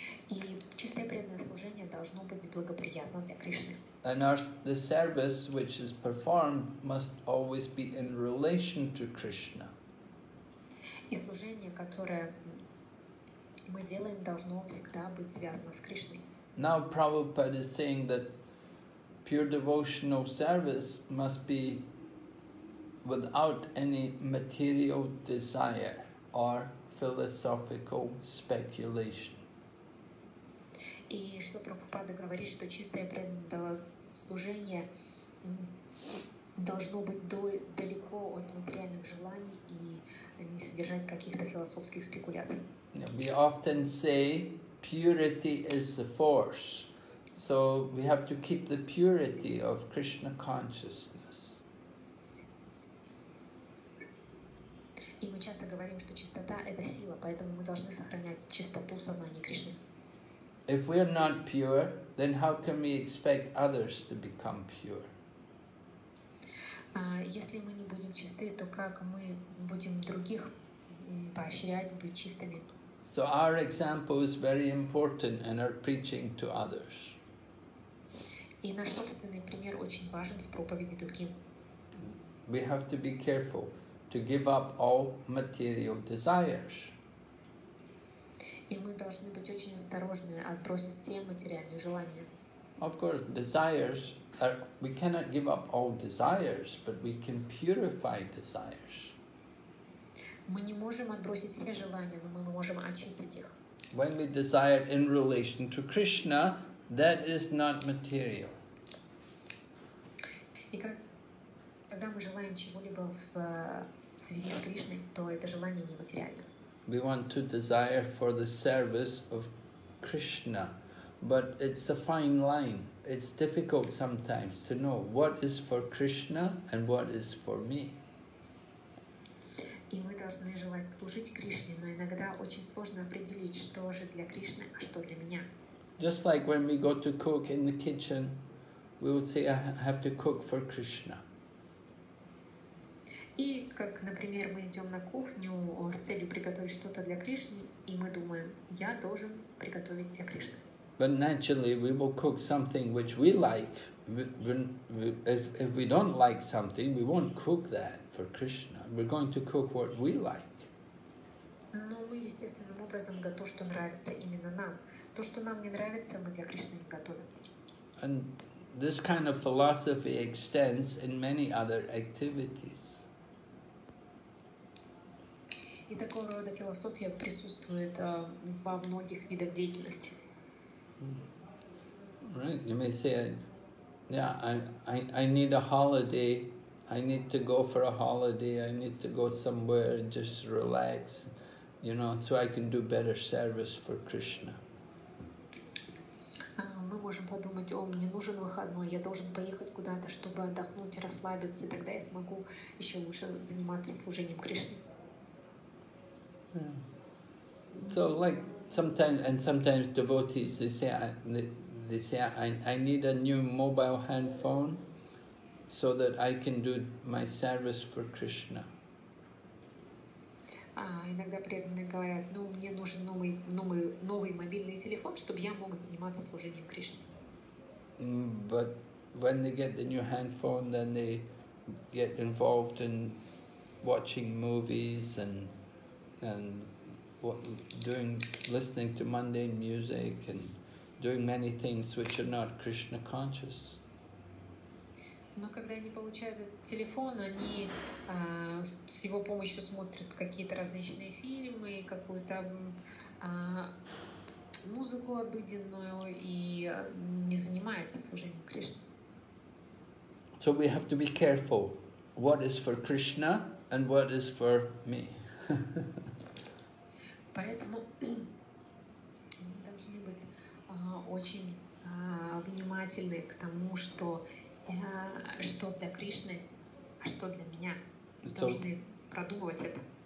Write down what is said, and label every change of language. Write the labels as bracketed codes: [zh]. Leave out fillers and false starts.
[ru] И чистое преданное служение должно быть благоприятным для Кришны. [en] And the service which is performed must always be in relation to Krishna. [ru] И служение, которое мы делаем, должно всегда быть связано с Кришной. [en] Now Prabhupada is saying that pure devotional service must be without any material desire or philosophical speculation. [ru] И что Прабхупада говорит, что чистое преданное служение должно быть далеко от материальных желаний и не содержать каких-то философских спекуляций. [en] We often say purity is the force, so we have to keep the purity of Krishna consciousness. [ru] И мы часто говорим, что чистота — это сила, поэтому мы должны сохранять чистоту сознания Кришны. [en] If we are not pure, then how can we expect others to become pure? [ru] Если мы не будем чисты, то как мы будем других поощрять быть чистыми? [en] So our example is very important in our preaching to others. [ru] И наш собственный пример очень важен в проповеди другим. [en] We have to be careful to give up all material desires. [ru] И мы должны быть очень осторожны, отбросить все материальные желания. [en] Of course, desires are, we cannot give up all desires, but we can purify desires. [ru] Мы не можем отбросить все желания, но мы можем очистить их. [en] When we desire in relation to Krishna, that is not material. [ru] И когда мы желаем чего-либо в связи с Кришной, то это желание не материально. [en] We want to desire for the service of Krishna, but it's a fine line. It's difficult sometimes to know what is for Krishna and what is for me. [ru] И мы должны желать служить Кришне, но иногда очень сложно определить, что же для Кришны, а что для меня. [en] Just like when we go to cook in the kitchen, we would say, I have to cook for Krishna. [ru] И как, например, мы идем на кухню с целью приготовить что-то для Кришны, и мы думаем, я должен приготовить для Кришны. [en] But naturally, we will cook something which we like. If we don't like something, we won't cook that for Krishna. We're going to cook what we like. [ru] Но мы естественным образом готовим то, что нравится именно нам. То, что нам не нравится, мы для Кришны не готовим. [en] And this kind of philosophy extends in many other activities. [ru] И такого рода философия присутствует во многих видах деятельности. [en] Right, you may say, yeah, I need a holiday, I need to go for a holiday, I need to go somewhere and just relax, you know, so I can do better service for Krishna. [ru] Мы можем подумать, о, мне нужен выходной, я должен поехать куда-то, чтобы отдохнуть, расслабиться, тогда я смогу еще лучше заниматься служением Кришне. [en] Yeah. So, like, sometimes devotees, they say I need a new mobile handphone so that I can do my service for Krishna. [ru] Иногда преданные говорят, ну мне нужен новый мобильный телефон, чтобы я мог заниматься служением Кришне. [en] But when they get the new handphone, then they get involved in watching movies and listening to mundane music and doing many things which are not Krishna conscious. [ru] Но когда они получают этот телефон, они с его помощью смотрят какие-то различные фильмы, какую-то музыку обыденную и не занимаются служением Кришне. [en] So we have to be careful. What is for Krishna and what is for me? [ru] Поэтому мы должны быть очень внимательны к тому, что для Кришны, а что для меня. Мы должны продумывать это.